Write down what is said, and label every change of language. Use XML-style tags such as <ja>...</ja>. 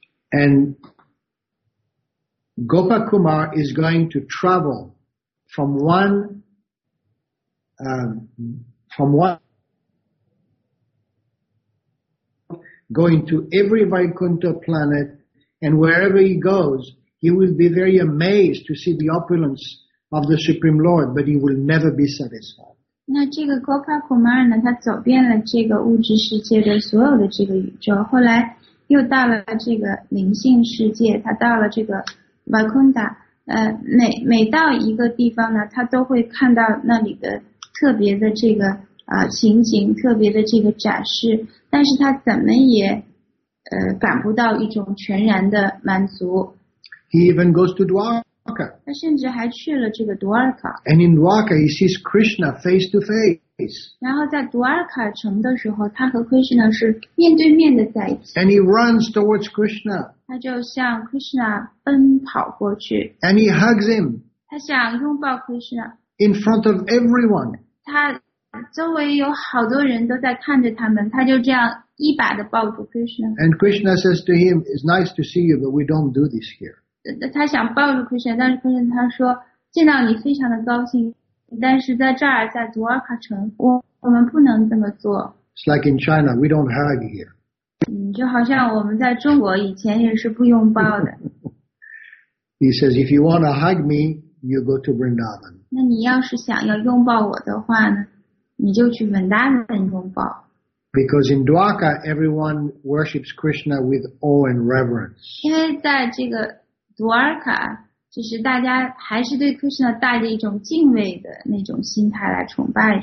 <en>And Gopakumar is going to travel from one, from one, going to every Vaikuntha planet, and wherever he goes. He will be very amazed to see the opulence of the Supreme Lord, but he will never be satisfied.</en> <zh>那这个 Gopakumar 呢，他走遍了这个物质世界的所有的这个宇宙，后来又到了这个灵性世界，他到了这个 Vaikuntha， 每到一个地方呢，他都会看到那里的特别的这个情景，特别的这个展示，但是他怎么也感不到一种全然的满足。</zh> <en>He even goes to Dwarka.</en> <zh>他甚至还去了这个 Dwarka.</zh> <en>And in Dwarka, he sees Krishna face to face.</en> <zh>然后在 Dwarka 城的时候，他和 Krishna 是面对面的在一起。</zh> <en>And he runs towards Krishna.</en> <zh>他就向 Krishna 奔跑过去。</zh> <en>And he hugs him.</en> <zh>他想拥抱 Krishna.</zh> <en>In front of everyone.</en> <zh>他周围有好多人都在看着他们，他就这样一把的抱住 Krishna.</zh> <en>And Krishna says to him, "It's nice to see you, but we don't do this here."</en> <zh>他想抱住 Krishna， 但是 Krishna 他说见到你非常的高兴，但是在这儿，在 Dwarka 城，我们不能这么做。</zh> <en>It's like in China, we don't hug here.</en> <zh>就好像我们在中国以前也是不拥抱的。</zh> <en>He says, if you want to hug me, you go to Vrindavan.</en> <zh>那你要是想要拥抱我的话呢，你就去 Vrindavan 拥抱。</zh> <en>Because in Dwarka, everyone worships Krishna with awe and reverence.</en> <zh>因为在这个Dwarka, 就是大家还是对 Krishna 带着一种敬畏的那种心态来崇拜。</zh>